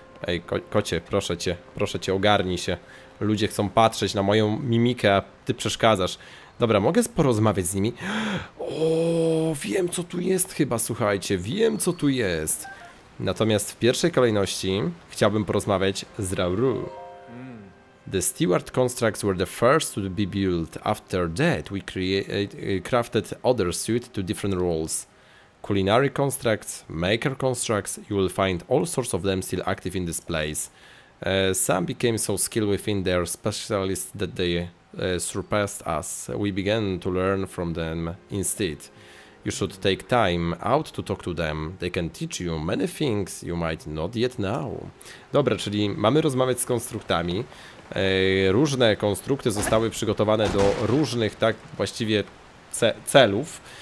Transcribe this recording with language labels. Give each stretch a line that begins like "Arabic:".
Polish: Ej, kocie, proszę cię, ogarnij się. Ludzie chcą patrzeć na moją mimikę, a ty przeszkadzasz. Dobra, mogę porozmawiać z nimi? O, wiem co tu jest chyba, słuchajcie, wiem co tu jest. Natomiast w pierwszej kolejności chciałbym porozmawiać z Rauru.
English: The Steward Constructs were the first to be built. After that we crafted other suit to different roles. Culinary constructs, maker constructs, you will find all sorts of them still active in this place. Some became so skilled within their specialists that they surpassed us. We began to learn from them instead. You should take time out to talk to them. They can teach you many things you might not yet know.
Polish: Dobra, czyli mamy rozmawiać z konstruktami. Różne konstrukty zostały przygotowane do różnych tak właściwie celów.